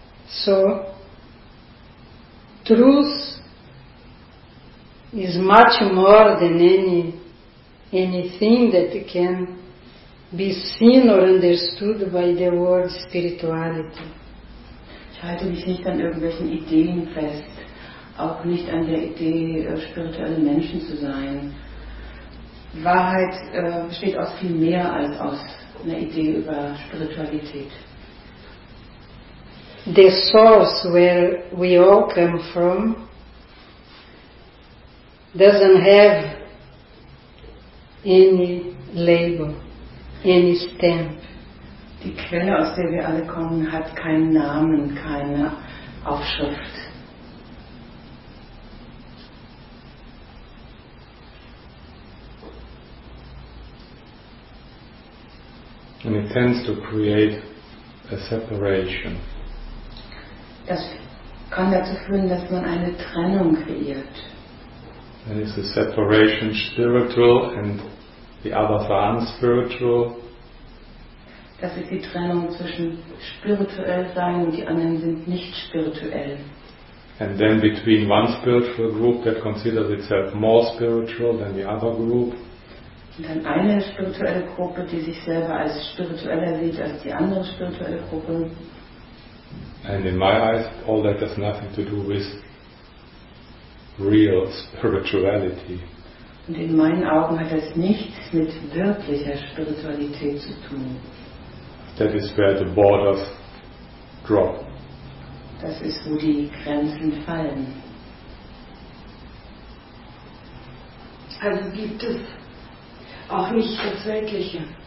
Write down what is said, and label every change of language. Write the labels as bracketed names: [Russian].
[English] So, truth is much more than anything that can be seen or understood by the word spirituality. [German] Ich halte mich nicht an irgendwelchen Ideen fest, auch nicht an der Idee, spirituelle Menschen zu sein. Wahrheit besteht aus viel mehr als aus einer Idee über Spiritualität. [English] The source where we all come from doesn't have any label, any stamp. [German] Die Quelle, aus der wir alle kommen, hat keinen Namen, keine Aufschrift. [English] And it tends to create a separation. [German] Das kann dazu führen, dass man eine Trennung kreiert. [English] And is the separation spiritual and the other sein spiritual? [German] Das ist die Trennung zwischen spirituell sein und die anderen sind nicht spirituell. [English] And then between one spiritual group that considers itself more spiritual than the other group. [German] Und dann eine spirituelle Gruppe, die sich selber als spiritueller sieht als die andere spirituelle Gruppe. [English] And in my eyes, all that has nothing to do with real spirituality. [German] Und in meinen Augen hat das nichts mit wirklicher Spiritualität zu tun. [English] That is where the borders drop. [German] Das ist, wo die Grenzen fallen. Also gibt es auch nicht das Weltliche.